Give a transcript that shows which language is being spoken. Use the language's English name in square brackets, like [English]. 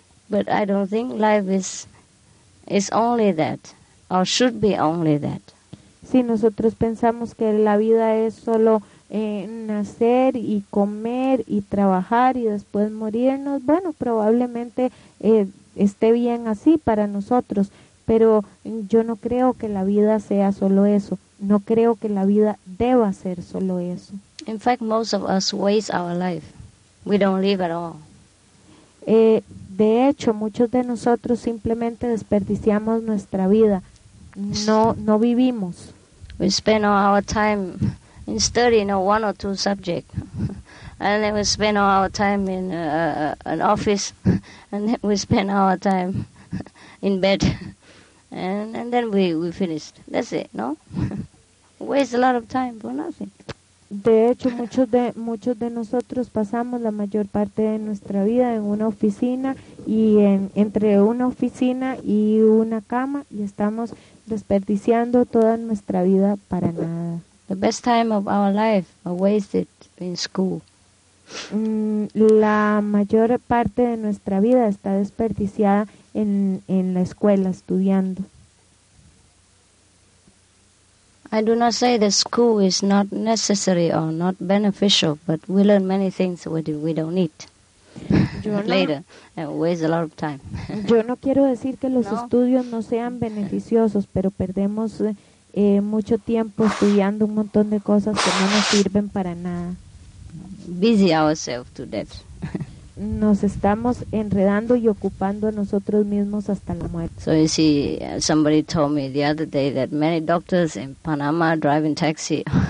[English] But I don't think life is only that, or should be only that. [Spanish] Si nosotros pensamos que la vida es solo nacer y comer y trabajar y después morirnos, bueno, probablemente esté bien así para nosotros, Pero yo no creo que la vida sea solo eso. No creo que la vida deba ser solo eso. [English] In fact, most of us waste our life. We don't live at all. [Spanish] De hecho, muchos de nosotros simplemente desperdiciamos nuestra vida. No vivimos. [English] We spend all our time in studying one or two subjects. And then we spend all our time in an office. And then we spend our time in bed. And then we finished. That's it, no? Waste a lot of time for nothing. [Spanish] De hecho, muchos de nosotros pasamos la mayor parte de nuestra vida en una oficina y entre una oficina y una cama y estamos desperdiciando toda nuestra vida para nada. [English] The best time of our life are wasted in school. [Spanish] La mayor parte de nuestra vida está desperdiciada en la escuela estudiando. [English] I do not say that school is not necessary or not beneficial, but we learn many things that we don't need later, and waste a lot of time. [Spanish] Yo no quiero decir que los estudios no sean beneficiosos, pero perdemos mucho tiempo estudiando un montón de cosas que no nos sirven para nada. [English] Busy ourselves to death. [Spanish] Nos estamos enredando y ocupando a nosotros mismos hasta la muerte. [English] So you see, somebody told me the other day that many doctors in Panama are driving taxi.